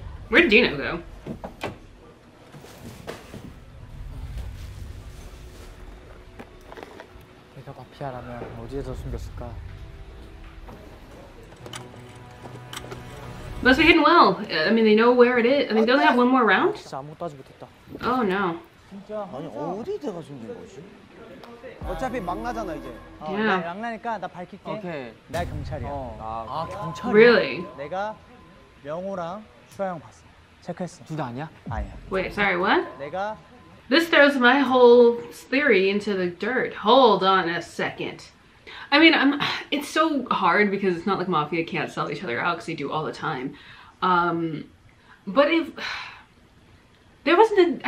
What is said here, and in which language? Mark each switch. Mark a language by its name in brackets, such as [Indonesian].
[English] Where's Dino, though? [Korean] 내가 마피아라면 어디에서 숨겼을까? [English] Must be hidden well. I mean, they know where it is. I mean, they only have one more round? [Korean] 진짜 아무것도 하지 못했다. [English] Oh, no. [Korean] 진짜? 아니, 어디에다가 숨긴 거지? 어차피 막나잖아, 이제. 네. 막나니까 나 밝힐게. 오케이. 내가 경찰이야. 아, 경찰이야? [English] Really? [Korean] 내가 명호랑 슈아 형 봤어. 체크했어. 둘 다 아니야? 아니야. [English] Wait, sorry, what? [Korean] 내가 [English] This throws my whole theory into the dirt. Hold on a second. I mean, it's so hard because it's not like Mafia can't sell each other out because they do all the time. But if... There wasn't a...